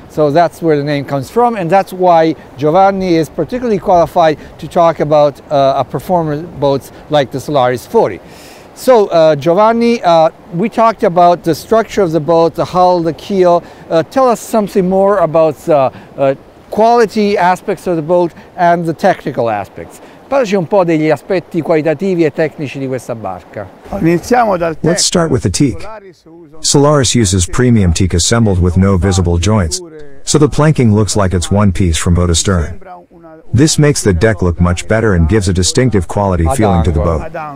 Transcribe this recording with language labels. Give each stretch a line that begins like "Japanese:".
English: So that's where the name comes from, and that's why Giovanni is particularly qualified to talk about a performance boats like the Solaris 40. So, Giovanni, we talked about the structure of the boat, the hull, the keel. Tell us something more about the quality aspects of the boat and the technical aspects.
Italian: Parlaci un po' degli aspetti qualitativi e tecnici di questa barca.
English: Let's start with the teak. Solaris uses premium teak assembled with no visible joints, so the planking looks like it's one piece from bow to stern. This makes the deck look much better and gives a distinctive quality feeling to the boat.